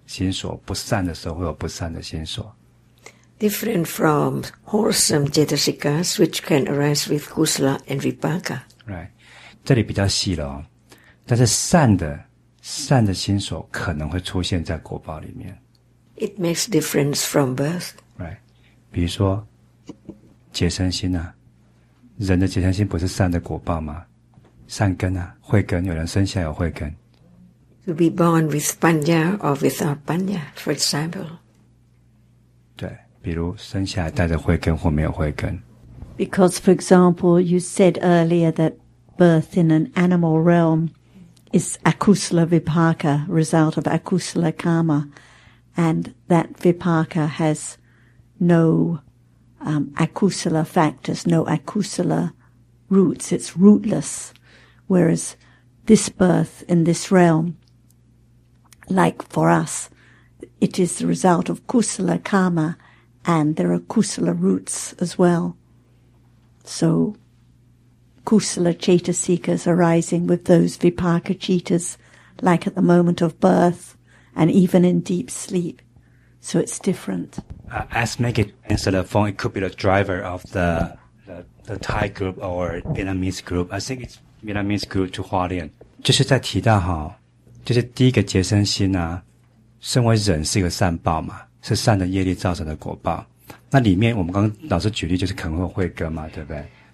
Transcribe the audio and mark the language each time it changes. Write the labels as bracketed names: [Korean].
[Chinese] 因为果报没有善跟恶之分，只有善心的时候会有善的心所，不善的时候会有不善的心所。 [English] Different from wholesome jetasikas, which can arise with kusala and vipaka. Right. [Chinese] 这里比较细了哦, 但是善的, 善的心所可能会出现在果报里面。 [English] It makes difference from birth. Right. [Chinese] 比如说, 结生心啊, 人的结生心不是善的果报吗? 善根啊, 慧根, 有人生下有慧根。 [English] To be born with panya or without panya, for example. [Chinese] 对, 比如生下带着慧根或没有慧根。 [English] Because, for example, you said earlier that birth in an animal realm is akusala vipaka, result of akusala karma, and that vipaka has no akusala factors, no akusala roots, it's rootless. Whereas this birth in this realm, like for us, it is the result of kusala karma, and there are kusala roots as well. So kusala chetasikas arising with those vipaka chetas, like at the moment of birth and even in deep sleep. So it's different. As Maggie answered the phone, it could be the driver of the Thai group or Vietnamese group. I think it's Vietnamese group to Hua Lian. [Chinese] 就是在提到，就是第一个结生心啊，身为人是一个善报嘛，是善的业力造成的果报。那里面我们刚刚老师举例就是可能会慧根嘛，对不对？